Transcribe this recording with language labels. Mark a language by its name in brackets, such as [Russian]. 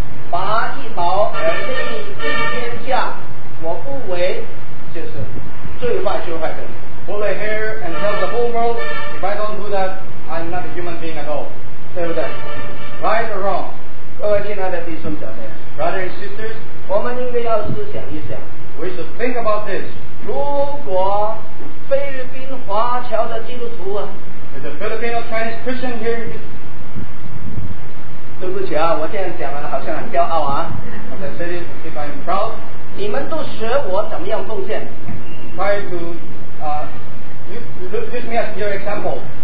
[Chinese] 拔一毛而立天下, 我不为, 就是最坏就坏的人, [English] pull a hair and help the whole world. If I don't do that, I'm not a human being at all. [Chinese] 对不对? [English] Right or wrong? [Chinese] 各位亲爱的弟兄姐妹, [English] brothers and sisters, [Chinese] 我们应该要思想一想, [English] we should think about this. [Chinese] 如果菲律宾华侨的基督徒啊, [English] if the Filipino Chinese Christian here, [Chinese] 对不起啊, 我这样讲了好像很骄傲啊, [English] as I said it, if I'm proud, [Chinese] 你们都学我怎么样奉献, [English] try to use me as your example.